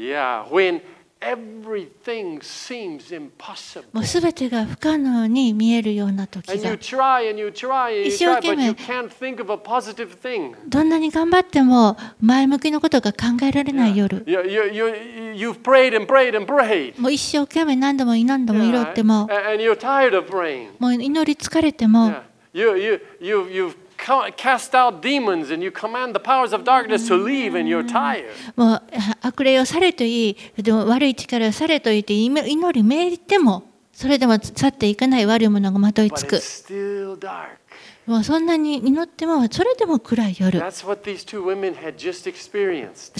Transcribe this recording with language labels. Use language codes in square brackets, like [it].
[en] yeah, when everything seems impossible. [ja] もう全てが不可能に見えるような時が、 [en] and you try, and you try, and you try, [ja] 一生懸命 [en] but you can't think of a positive thing. [ja] どんなに頑張っても前向きのことが考えられない夜、 [en] yeah. Yeah, you've prayed and prayed and prayed. [ja] もう一生懸命何度も祈っても祈っても、 [en] yeah. and you're tired of praying. [ja] もう祈り疲れても、 [en] yeah. you've cast out demons and you command the powers of darkness to leave and you're tired. [ja] もう悪霊をされといい、でも悪い力をされといて祈り命じても、それでも去っていかない悪いものがまといつく。 [en] But it's still dark. [ja] もうそんなに祈ってもそれでも暗い夜。 [en] That's what these two women had just experienced.